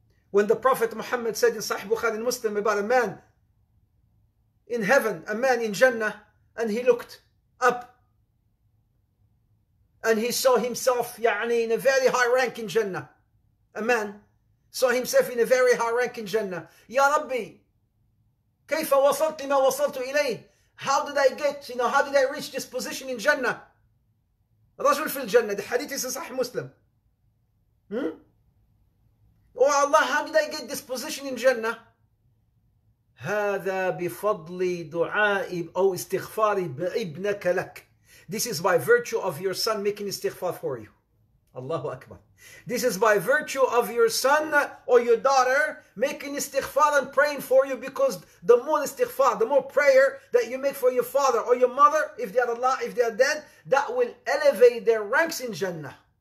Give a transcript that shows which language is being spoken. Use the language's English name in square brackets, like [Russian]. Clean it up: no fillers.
[English] When the Prophet Muhammad said in Sahih Bukhari Muslim about a man in heaven, a man in Jannah, and he looked up and he saw himself يعني, in a very high rank in Jannah. A man saw himself in a very high rank in Jannah. [Arabic] Ya Rabbi, كيف وصلت لما وصلت إليه? [English] How did I get, you know, how did I reach this position in Jannah? [Arabic] رجل في الجنة, [English] the hadith is in Sahih Muslim. Oh Allah, how did I get this position in Jannah? [Arabic] هذا بفضل دعائي أو استغفاري بابنك لك. [English] This is by virtue of your son making istighfar for you. Allahu Akbar. This is by virtue of your son or your daughter making istighfar and praying for you, because the more istighfar, the more prayer that you make for your father or your mother, if they are alive, if they are dead, that will elevate their ranks in Jannah.